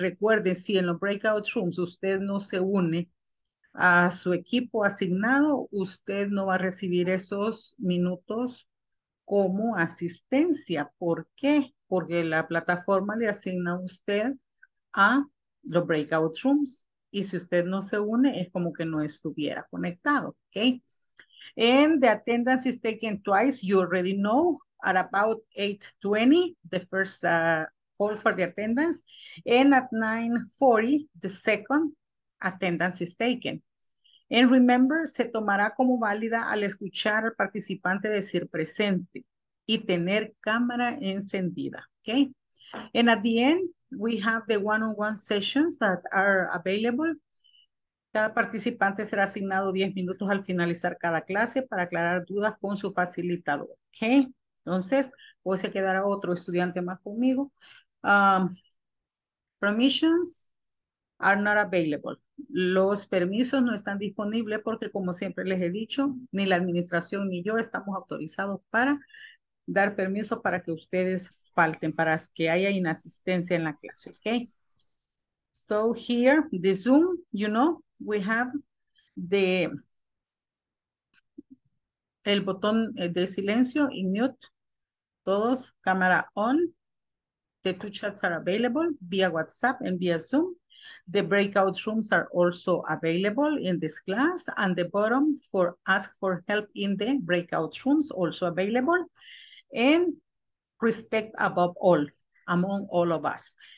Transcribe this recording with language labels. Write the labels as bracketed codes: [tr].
[es] Recuerden, si en los breakout rooms usted no se une a su equipo asignado, usted no va a recibir esos minutos como asistencia. ¿Por qué? Porque la plataforma le asigna a usted a los breakout rooms, y si usted no se une, es como que no estuviera conectado, ¿ok? [en] And the attendance is taken twice, you already know, at about 8:20, the first call for the attendance, and at 9:40, the second attendance is taken. And remember, [es] se tomará como válida al escuchar al participante decir presente y tener cámara encendida, ¿ok? [en] And at the end, we have the one-on-one sessions that are available. [es] Cada participante será asignado 10 minutos al finalizar cada clase para aclarar dudas con su facilitador. Okay. Entonces, hoy se quedará otro estudiante más conmigo. [en] Permissions are not available. [es] Los permisos no están disponibles porque, como siempre les he dicho, ni la administración ni yo estamos autorizados para dar permiso para que ustedes falten, para que haya inasistencia en la clase, okay? [en] So here, the Zoom, you know, we have the [es] el botón de silencio y [en] mute, todos, camera on, the two chats are available via WhatsApp and via Zoom, the breakout rooms are also available in this class, and the bottom for ask for help in the breakout rooms also available, and respect above all, among all of us.